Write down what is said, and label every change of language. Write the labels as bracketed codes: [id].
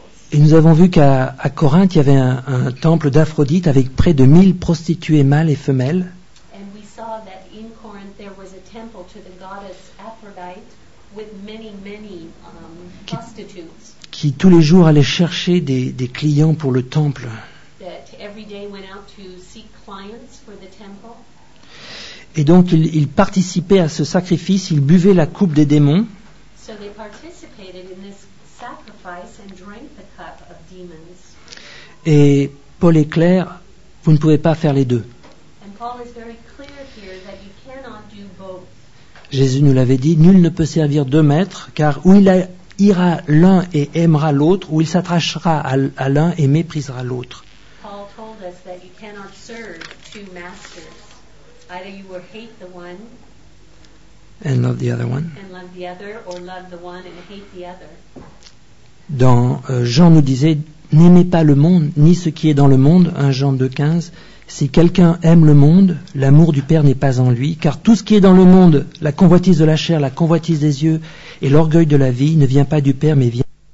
[fr] Et nous avons vu qu'à Corinthe, il y avait un temple d'Aphrodite avec près de 1000 prostituées mâles et femelles. [en] And we saw that in Corinth there was a temple to the goddess Aphrodite with many prostitutes. [fr] Qui tous les jours allaient chercher des clients pour le temple. [en] That every day went out to seek clients for the temple. [fr] Et donc ils participaient à ce sacrifice, ils buvaient la coupe des démons. [en] So they participated in this sacrifice and drank the cup of demons. [fr] Et Paul est clair, vous ne pouvez pas faire les deux. [en] And Paul is very clear here that you cannot do both. [fr] Jésus nous l'avait dit, nul ne peut servir deux maîtres, car où il ira l'un et aimera l'autre, ou il s'attachera à l'un et méprisera l'autre. [en] Paul told us that you cannot serve two masters. Either you will hate the one and love the other one. And love the other, or love the one and hate the other. [fr] Dans Jean nous disait, n'aimez pas le monde, ni ce qui est dans le monde, 1 Jean 2,15. Si quelqu'un aime le monde, l'amour du Père n'est pas en lui, car tout ce qui est dans le monde, la convoitise de la chair, la convoitise des yeux et l'orgueil de la vie, ne vient pas du Père, mais vient.